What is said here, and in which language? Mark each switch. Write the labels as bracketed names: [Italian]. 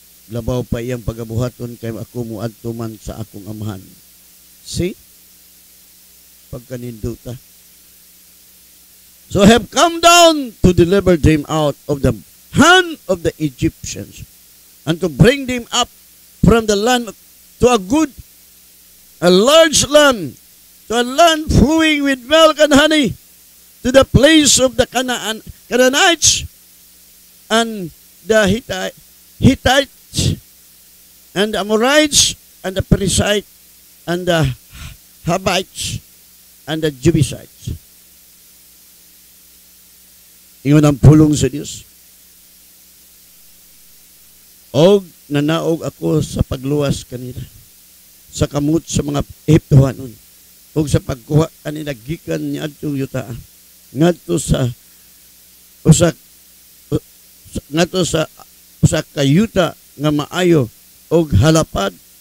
[Cebuano] Labaw pa iyang pagabuhaton kay ako muadto man sa akong amahan. See? Pagkaninduta. [English] So I have come down to deliver them out of the hand of the Egyptians and to bring them up from the land to a large land, to a land flowing with milk and honey, to the place of the Canaanites and the Hittites and the Amorites and the Perizzites and the Hivites and the Jebusites. [Cebuano] Ingon ang pulong sa Dios. Og nanaog ako sa pagluwas kanila sa kamut sa mga Ehiptohanon og sa pagkuha kanila gikan ni adtong yuta ngadto sa usak ka yuta nga maayo og halapad